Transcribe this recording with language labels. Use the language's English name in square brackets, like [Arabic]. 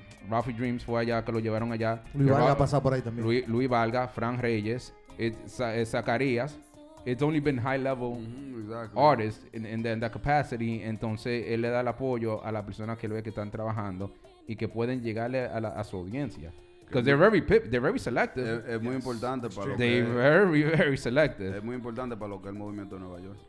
[Spanish] Ruffy Dreams fue allá, que lo llevaron allá. Luis Valga pasó por ahí también. Luis Valga, Fran Reyes, Zacarías. [English] It's only been high level artists in that capacity. [Spanish] Entonces, él le da el apoyo a las personas que lo ve que están trabajando y que pueden llegarle a, la, a su audiencia. [English] Because they're very selective. [Spanish] Es muy importante para lo que... [English] They're very, very selective. [Spanish] Es muy importante para lo que es el movimiento de Nueva York.